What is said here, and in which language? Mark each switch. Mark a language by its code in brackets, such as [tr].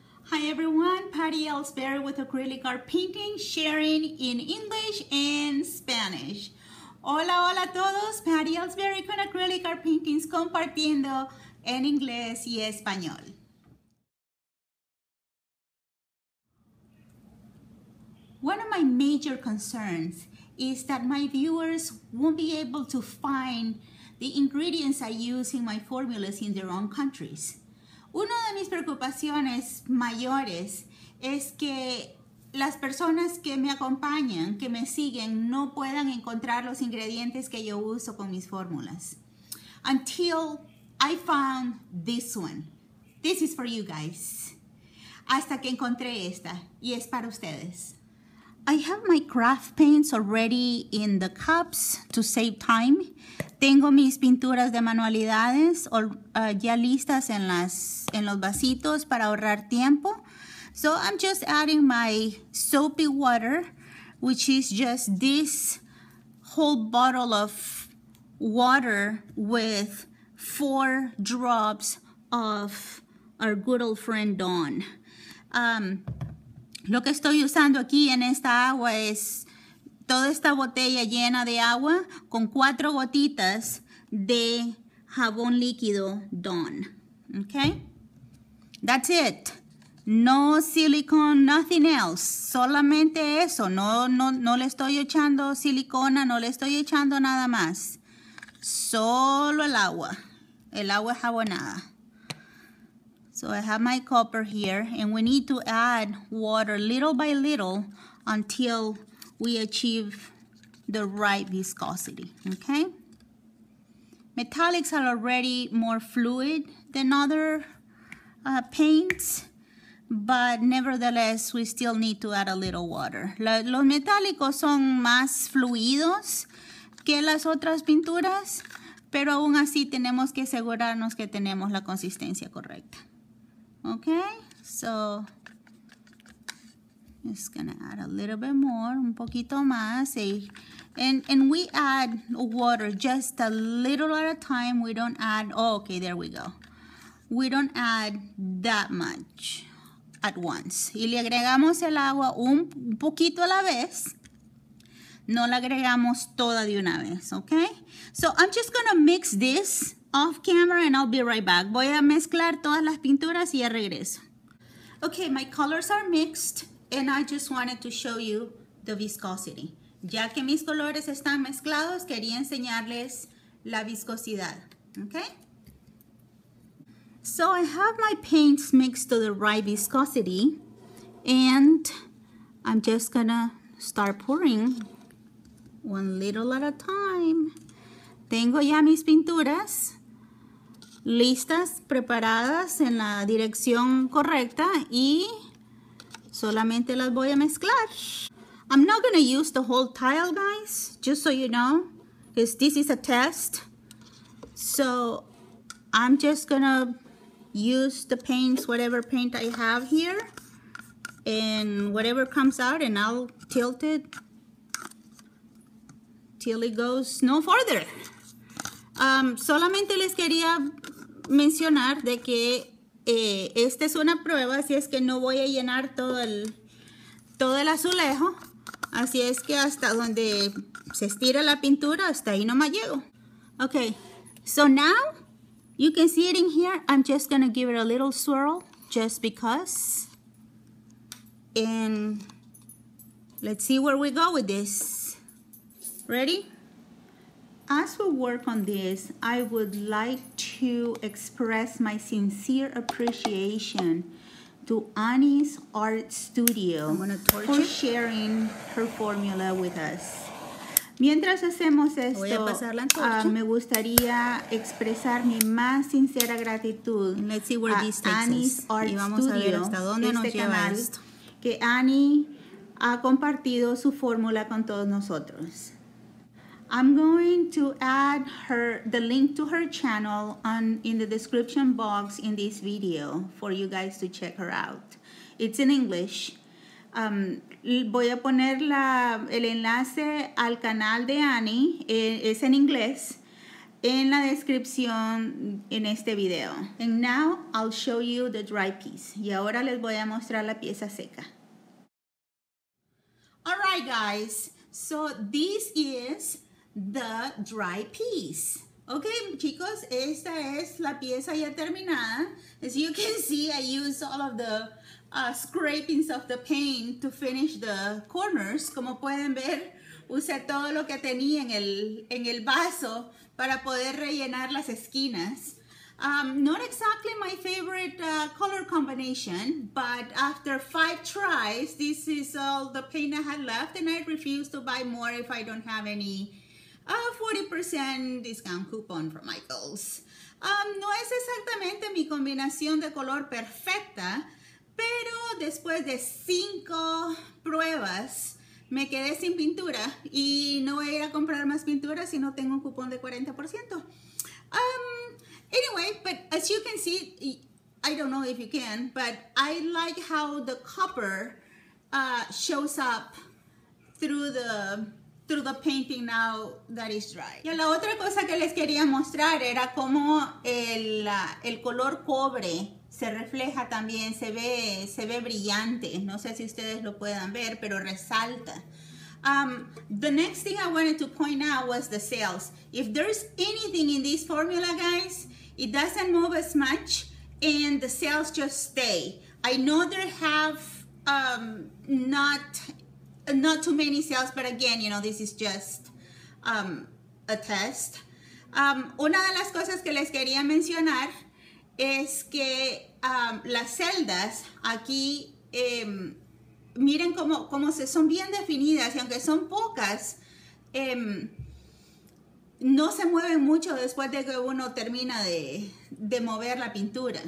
[en] Hi everyone, Patty Elsberry with Acrylic Art Painting, sharing in English and Spanish. [es] Hola, hola a todos, Patty Elsberry con Acrylic Art Paintings, compartiendo en inglés y español. [en] One of my major concerns is that my viewers won't be able to find the ingredients I use in my formulas in their own countries. [es] Una de mis preocupaciones mayores es que las personas que me acompañan, que me siguen, no puedan encontrar los ingredientes que yo uso con mis fórmulas. [en] Until I found this one. This is for you guys. [es] Hasta que encontré esta, y es para ustedes. [en] I have my craft paints already in the cups to save time. [es] Tengo mis pinturas de manualidades ya listas en los vasitos para ahorrar tiempo. [en] So I'm just adding my soapy water, which is just this whole bottle of water with 4 drops of our good old friend Dawn. [es] Lo que estoy usando aquí en esta agua es toda esta botella llena de agua con 4 gotitas de jabón líquido Dawn. [en] Okay? That's it. No silicone, nothing else. [es] Solamente eso. No le estoy echando silicona, no le estoy echando nada más. Solo el agua. El agua jabonada. [en] So I have my copper here, and we need to add water little by little until we achieve the right viscosity, okay? Metallics are already more fluid than other paints, but nevertheless, we still need to add a little water. [es] Los metálicos son más fluidos que las otras pinturas, pero aún así tenemos que asegurarnos que tenemos la consistencia correcta. [en] Okay, so I'm just gonna add a little bit more, [es] un poquito más. [en] And we add water just a little at a time. We don't add, oh, okay, there we go. We don't add that much at once. [es] Y le agregamos el agua un poquito a la vez. No la agregamos toda de una vez, okay? [en] So I'm just gonna mix this off camera and I'll be right back. [es] Voy a mezclar todas las pinturas y ya regreso. [en] Okay, my colors are mixed and I just wanted to show you the viscosity. [es] Ya que mis colores están mezclados, quería enseñarles la viscosidad. [en] Okay? So I have my paints mixed to the right viscosity and I'm just gonna start pouring one little at a time. [es] Tengo ya mis pinturas listas, preparadas en la dirección correcta y solamente las voy a mezclar. [en] I'm not gonna use the whole tile, guys, just so you know, because this is a test. So I'm just gonna use the paints, whatever paint I have here, and whatever comes out, and I'll tilt it till it goes no further. [es] Solamente les quería mencionar de que esta es una prueba, así es que no voy a llenar todo el azulejo, así es que hasta donde se estira la pintura, hasta ahí no me llego. [en] Okay, so now you can see it in here. I'm just gonna give it a little swirl just because, and let's see where we go with this. Ready? As we work on this, I would like to express my sincere appreciation to Annie's Art Studio for sharing her formula with us. [es] Mientras hacemos esto, me gustaría expresar mi más sincera gratitud a Annie's Art Studio, este canal que Annie ha compartido su fórmula con todos nosotros. [en] I'm going to add the link to her channel in the description box in this video for you guys to check her out. It's in English. [es] Voy a poner el enlace al canal de Annie. Es en inglés. en la descripción en este video. [en] And now I'll show you the dry piece. [es] Y ahora les voy a mostrar la pieza seca. [en] All right, guys. So this is the dry piece. [es] Okay, chicos, esta es la pieza ya terminada. [en] As you can see, I used all of the scrapings of the paint to finish the corners. [es] Como pueden ver, usé todo lo que tenía en el vaso para poder rellenar las esquinas. [en] Not exactly my favorite color combination, but after 5 tries, this is all the paint I had left, and I refuse to buy more if I don't have any 40% discount coupon from Michaels. [es] No es exactamente mi combinación de color perfecta, pero después de 5 pruebas, me quedé sin pintura y no voy a ir a comprar más pintura si no tengo un cupón de 40%. [en] Anyway, but as you can see, I don't know if you can, but I like how the copper shows up through the painting now that is dry. [es] Y la otra cosa que les quería mostrar era cómo el color cobre se refleja también, se ve brillante. No sé si ustedes lo puedan ver, pero resalta. [en] The next thing I wanted to point out was the sails. If there's anything in this formula, guys, it doesn't move as much and the sails just stay. I know there have not too many sails, but again, you know, this is just a test. [es] Una de las cosas que les quería mencionar es que las celdas aquí, miren cómo se son bien definidas, y aunque son pocas, no se mueven mucho después de que uno termina de mover la pintura.